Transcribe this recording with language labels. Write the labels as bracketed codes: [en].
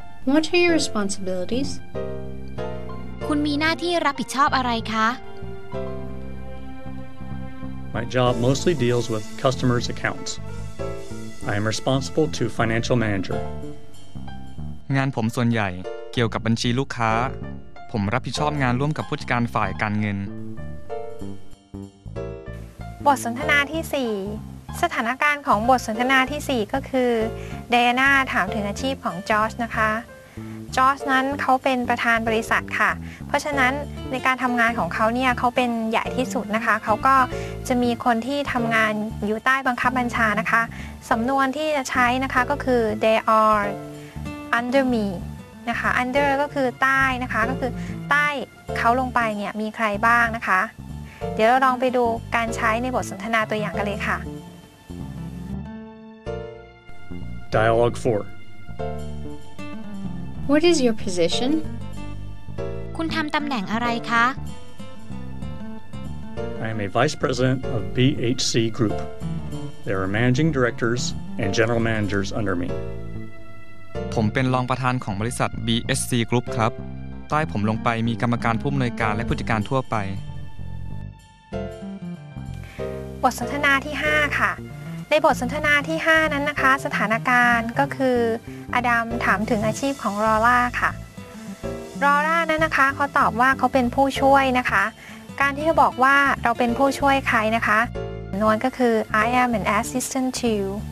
[en] What are your responsibilities? [th] คุณมีหน้าที่รับผิดชอบอะไรคะ [en] My job mostly deals with customers' accounts. I am responsible to financial manager. [th] งานผมส่วนใหญ่เกี่ยวกับบัญชีลูกค้าผมรับผิดชอบงานร่วมกับผู้จัดการฝ่ายการเงิน บทสนทนาที่4สถานการณ์ของบทสนทนาที่4ก็คือเดียนาถามถึงอาชีพของจอร์จนะคะจอร์จนั้นเขาเป็นประธานบริษัทค่ะเพราะฉะนั้นในการทำงานของเขาเนี่ยเขาเป็นใหญ่ที่สุดนะคะเขาก็จะมีคนที่ทำงานอยู่ใต้บังคับบัญชานะคะสำนวนที่จะใช้นะคะก็คือ [en] they are under me [th] นะคะ under ก็คือใต้นะคะก็คือใต้เขาลงไปเนี่ยมีใครบ้างนะคะเดี๋ยวเราลองไปดูการใช้ในบทสนทนาตัวอย่างกันเลยค่ะ [en] Dialogue 4 What is your position? [th] คุณทำตำแหน่งอะไรคะ [en] I am a vice president of BHC Group. There are managing directors and general managers under me. [th] ผมเป็นรองประธานของบริษัท BHC Group ครับใต้ผมลงไปมีกรรมการผู้อำนวยการและผู้จัดการทั่วไป บทสนทนาที่5ค่ะในบทสนทนาที่5นั้นนะคะสถานการณ์ก็คืออดัมถามถึงอาชีพของรอล่าค่ะรอล่านั้นนะคะเขาตอบว่าเขาเป็นผู้ช่วยนะคะการที่จะบอกว่าเราเป็นผู้ช่วยใครนะคะนวนก็คือ [en] I am an assistant to you.